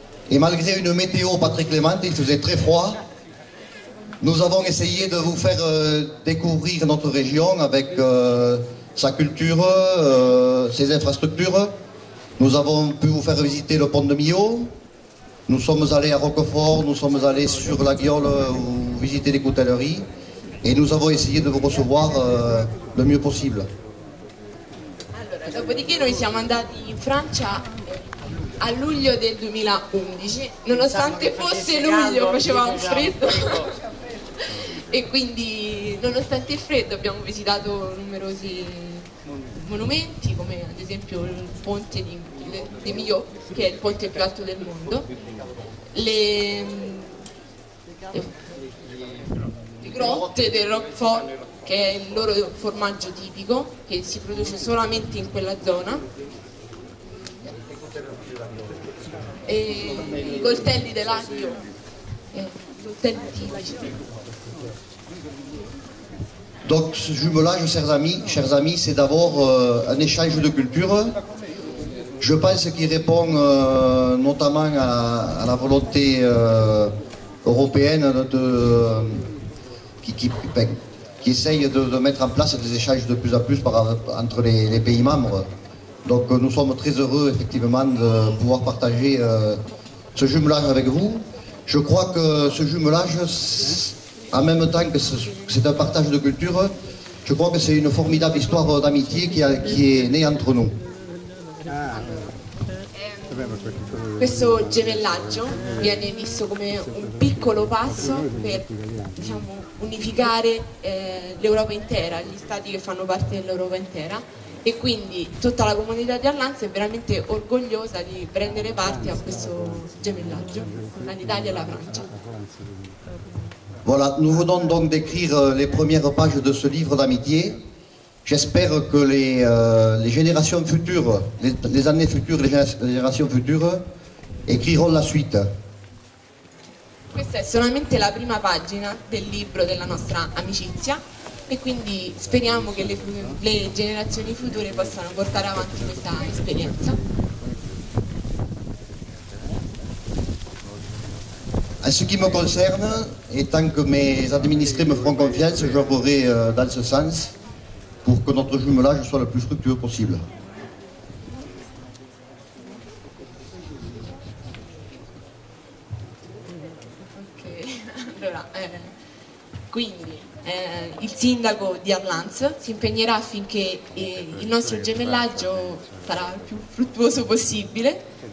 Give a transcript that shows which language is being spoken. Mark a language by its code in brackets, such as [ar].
[fr] Et malgré une météo pas très clémente, il faisait très froid, nous avons essayé de vous faire découvrir notre région avec sa culture, ses infrastructures. Nous avons pu vous faire visiter le pont de Millau, nous sommes allés à Roquefort, nous sommes allés sur la Guiole visiter les coutelleries, et nous avons essayé de vous recevoir le mieux possible. Alors, [it] dopodiché noi siamo andati in Francia a luglio del 2011, nonostante fosse luglio faceva un freddo e quindi nonostante il freddo abbiamo visitato numerosi monumenti, come ad esempio il ponte di Millau, che è il ponte più alto del mondo, le grotte del Roquefort, che è il loro formaggio tipico che si produce solamente in quella zona, e i coltelli dell'aglio, coltelli tipici. [fr] Donc ce jumelage, chers amis, c'est d'abord un échange de culture. Je pense qu'il répond notamment à la volonté européenne de, qui essaye de mettre en place des échanges de plus en plus par, entre les pays membres. Donc nous sommes très heureux effectivement de pouvoir partager ce jumelage avec vous. Je crois que ce jumelage, en même temps que c'est un partage de culture, je crois que c'est une formidable histoire d'amitié qui est née entre nous. [it] Questo gemellaggio viene visto come un piccolo passo per, diciamo, unificare l'Europa intera, gli stati che fanno parte dell'Europa intera, e quindi tutta la comunità di Arlanza è veramente orgogliosa di prendere parte a questo gemellaggio tra l'Italia e la Francia. [fr] Voilà, nous venons donc d'écrire les premières pages de ce livre d'amitié. J'espère que les générations futures, les années futures, les générations futures écriront la suite. [it] Questa è solamente la prima pagina del libro della nostra amicizia, e quindi speriamo che le generazioni future possano portare avanti questa esperienza. [fr] En ce qui me concerne, et tant que mes administrés me feront confiance, j'œuvrerai dans ce sens, pour que notre jumelage soit le plus fructueux possible. [it] Ok, allora, quindi il sindaco di Arlanza si impegnerà affinché il nostro gemellaggio sarà il più fruttuoso possibile.